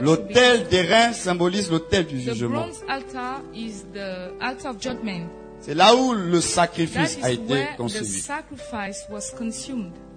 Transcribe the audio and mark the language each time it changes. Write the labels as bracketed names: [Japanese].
[French] l'autel des reins symbolise l'autel du jugement. [English] The bronze altar is the altar of judgment. [French] C'est là où le sacrifice a été consommé. [English] The sacrifice was consumed.